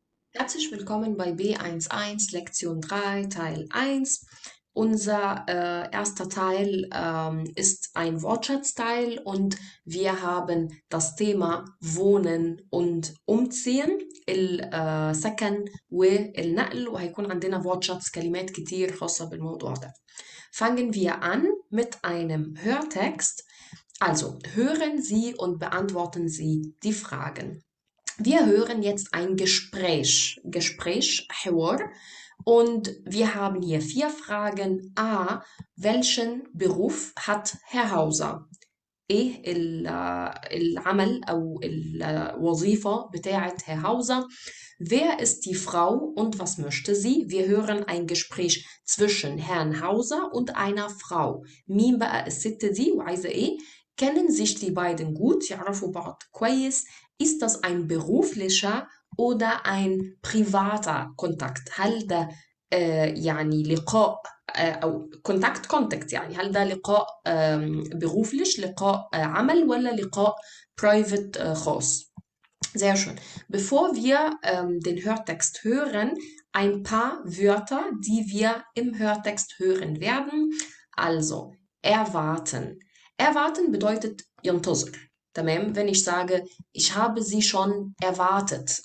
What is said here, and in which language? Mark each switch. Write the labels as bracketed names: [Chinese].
[German] Herzlich willkommen bei B11, Lektion 3, Teil 1. Unser erster Teil ist ein Wortschatzteil und wir haben das Thema Wohnen und Umziehen. [Arabic] السكن والنقل وهيكون عندنا وortschatz كلمات كتير خاصة بالموضوع ده. [German] Fangen wir an mit einem Hörtext. Also hören Sie und beantworten Sie die Fragen. Wir hören jetzt ein Gespräch. Gespräch, Hör. Und wir haben hier vier Fragen. A. Welchen Beruf hat Herr Hauser? [Arabic] إيه العمل أو الوظيفة بتاعت هير هاوزر؟ [German] Wer ist die Frau und was möchte sie? Wir hören ein Gespräch zwischen Herrn Hauser und einer Frau. [Arabic] مين بقى الست دي وعايزة إيه؟ [German] Kennen sich die beiden gut؟ [Arabic] يعرفوا بعض كويس؟ [German] Ist das ein beruflicher oder ein privater Kontakt؟ [Arabic] هل ده يعني لقاء أو كونتاكت يعني هل ده لقاء بروفليش لقاء عمل ولا لقاء برايفت خاص؟ [German] Sehr schön. Bevor wir den Hörtext hören, ein paar Wörter, die wir im Hörtext hören werden. Also, erwarten. Erwarten bedeutet [Arabic] ينتظر. تمام؟ [German] Wenn ich sage, ich habe sie schon erwartet.